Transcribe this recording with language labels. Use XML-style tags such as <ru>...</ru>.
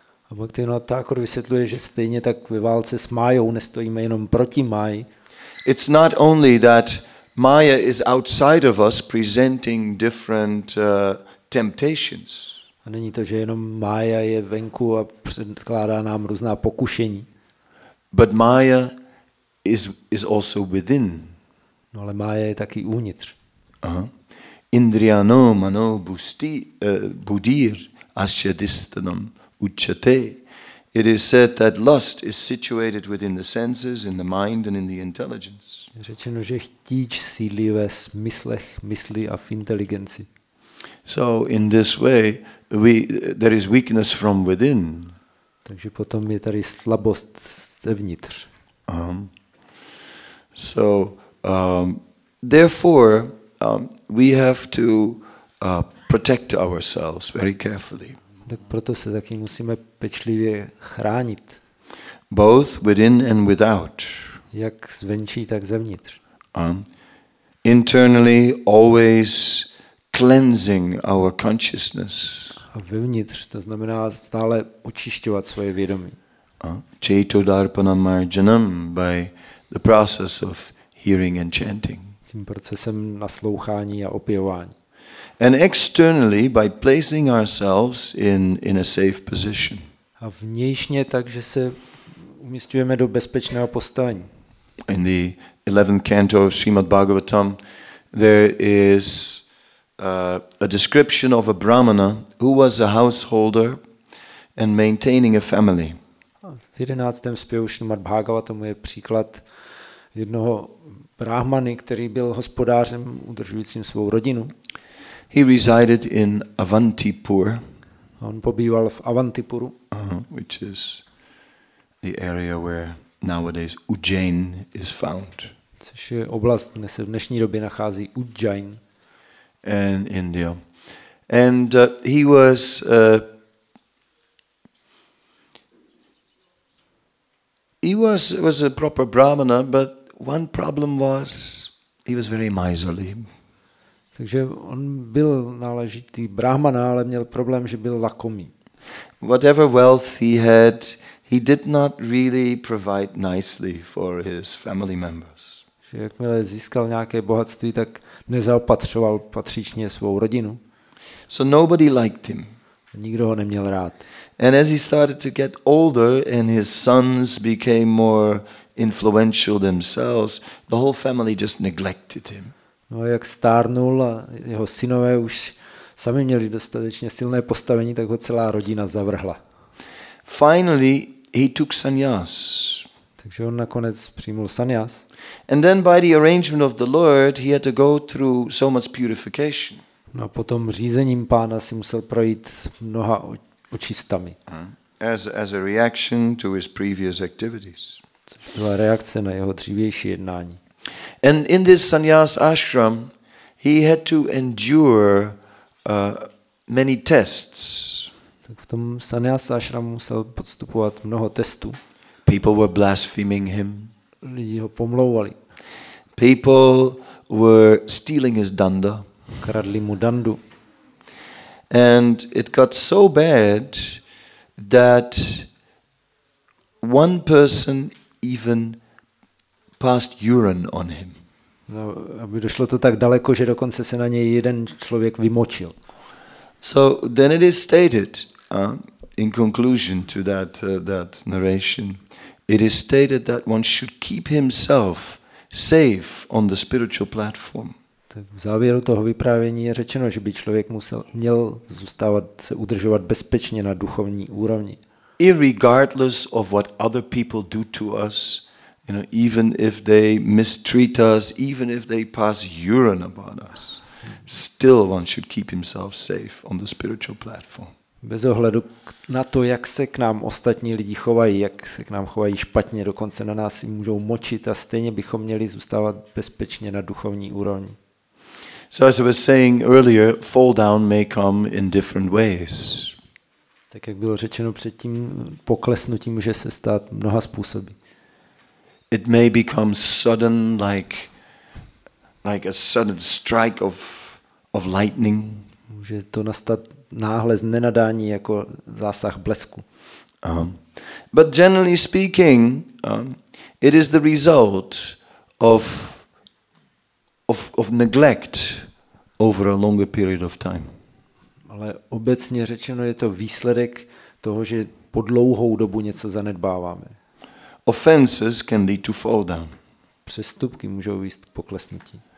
<cs>A Bhaktivinoda Thakur vysvětluje, že stejně tak ve válce s Mayou nestojíme jenom proti Mayi.</cs> <en>It's not only that Maya is outside of us presenting different temptations.</en> <cs>A není to, že jenom Maya je venku a předkládá nám různá pokušení.</cs> <en>But Maya is also within.</en> <cs>No ale Maya je taky uvnitř.</cs> <sa>Indriyano mano busti budir asya distanam ucchate.</sa> <en>It is said that lust is situated within the senses, in the mind and in the intelligence.</en> <cs>Řečeno, že chtíč sídlí ve smyslech, mysli a v inteligenci.</cs> <en>So in this way there is weakness from within.</en> <cs>Takže potom je tady slabost zevnitř.</cs> <en>So therefore we have to protect ourselves very carefully.</en> <cs>Tak proto se taky musíme pečlivě chránit.</cs> <en>Both within and without.</en> <cs>Jak zvenčí, tak zevnitř.</cs> <en>Internally always cleansing our consciousness.</en> <cs>A vevnitř, to znamená stále očišťovat svoje vědomí.</cs> <sa>Chaito darpanam marjanam</sa> <en>by the process of hearing and chanting.</en> <cs>Tím procesem naslouchání a opěvování.</cs> <en>And externally by placing ourselves in a safe position.</en> <cs>A vnějšně tak, že se umisťujeme do bezpečného postavení.</cs> <en>In the 11th canto of Srimad Bhagavatam there is a description of a brahmana who was a householder and maintaining a family.</en> <cs>V 11. zpěvu Srimad Bhagavatam je příklad jednoho brahmany, který byl hospodářem udržujícím svou rodinu.</cs> <en>He resided in Avantipur.</en> <cs>On pobýval v Avantipuru,</cs> <en>which is the area where nowadays Ujjain is found.</en> <cs>Což je oblast, kde se v dnešní době nachází Ujjain.</cs> <en>In India. And he was he was a proper brahmana, but one problem was he was very miserly.</en> <cs>Takže on byl náležitý brahmana, ale měl problém, že byl lakomý.</cs> <en>Whatever wealth he had, he did not really provide nicely for his family members.</en> <cs>Že jakmile získal nějaké bohatství, tak nezaopatřoval patřičně svou rodinu.</cs> <en>So nobody liked him.</en> <cs>Nikdo ho neměl rád.</cs> <en>And as he started to get older and his sons became more influential themselves, the whole family just neglected him.</en> <cs>No a jak stárnul a jeho synové už sami měli dostatečně silné postavení, tak ho celá rodina zavrhla.</cs> <en>Finally, he took sannyas.</en> <cs>Takže on nakonec přijmul sannyas.</cs> <en>And then by the arrangement of the Lord, he had to go through so much purification.</en> <cs>No a potom řízením pána si musel projít mnoha očistami.</cs> <en>As a reaction to his previous activities.</en> <cs>Což byla reakce na jeho dřívější jednání.</cs> <en>And in this sannyas ashram, he had to endure many tests.</en> <cs>Tak v tom sannyas ashram musel podstupovat mnoho testů.</cs> <en>People were blaspheming him.</en> <cs>Lidi ho pomlouvali.</cs> <en>People were stealing his danda.</en> <cs>Kradli mu dandu.</cs> <en>And it got so bad that one person even passed urine on him.</en> <cs>No, aby došlo to tak daleko, že dokonce se na něj jeden člověk vymočil.</cs> <en>So then it is stated in conclusion to that that narration. It is stated that one should keep himself safe on the spiritual platform.</en> <cs>Tak v závěru toho vyprávění je řečeno, že by člověk měl zůstávat se udržovat bezpečně na duchovní úrovni.</cs> <en>Irregardless of what other people do to us, you know, even if they mistreat us, even if they pass urine upon us, still one should keep himself safe on the spiritual platform.</en> <cs>Bez ohledu na to, jak se k nám ostatní lidi chovají, jak se k nám chovají špatně, dokonce na nás si můžou močit a stejně bychom měli zůstávat bezpečně na duchovní úrovni.</cs> <en>So as I was saying earlier, fall down may come in different ways.</en> <cs>Tak jak bylo řečeno předtím, poklesnutí může se stát mnoha způsoby.</cs> <en>It may become sudden, like a sudden strike of lightning.</en> <cs>Může to nastat náhle z nenadání jako zásah blesku.</cs> <en>But generally speaking, it is the result of neglect over a longer period of time.</en> <cs>Ale obecně řečeno je to výsledek toho, že po dlouhou dobu něco zanedbáváme.</cs> <en>Offenses can lead to fall down.</en> <cs>Přestupky můžou vést k poklesnutí.</cs>